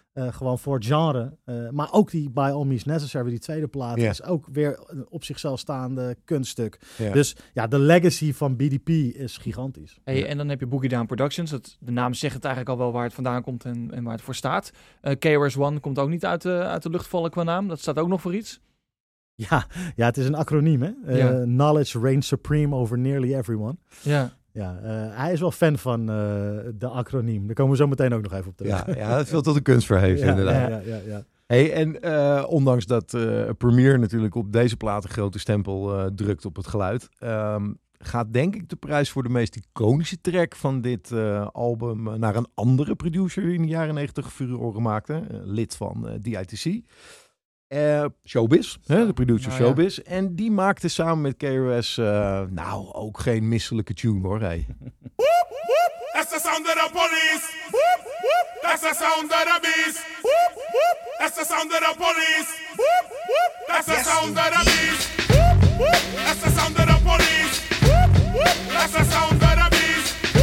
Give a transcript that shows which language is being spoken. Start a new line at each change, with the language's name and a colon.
Dutch: Gewoon voor het genre. Maar ook die By All Means Necessary, die tweede plaat, is ook weer op zichzelf staande kunststuk.
English: Yeah.
Dutch: Dus de legacy van BDP is gigantisch. Hey, en dan heb je Boogie Down Productions. De naam zegt het eigenlijk al wel waar het vandaan komt en waar het voor staat. KRS-One komt ook niet uit de lucht vallen qua naam. Dat staat ook nog voor iets. Ja, het is een acroniem. Hè?
English: Knowledge reigns supreme over nearly everyone.
Dutch: Ja. Ja, hij is wel fan van de acroniem. Daar komen we zo meteen ook nog even op terug. Ja, dat veel tot de kunst verheven, inderdaad. Ja. Hey, en ondanks dat Premier natuurlijk op deze plaat een grote stempel drukt op het geluid, gaat denk ik de prijs voor de meest iconische track van dit album naar een andere producer die in de jaren 90 furoren maakte, lid van DITC. Showbiz, de producer Showbiz. En die maakte samen met KRS ook geen misselijke tune, hoor. Hey.
English: That's the sound of the police. That's the sound of the beast. That's the sound of the police. That's the sound of the beast. That's the sound of the police. That's the sound of the beast.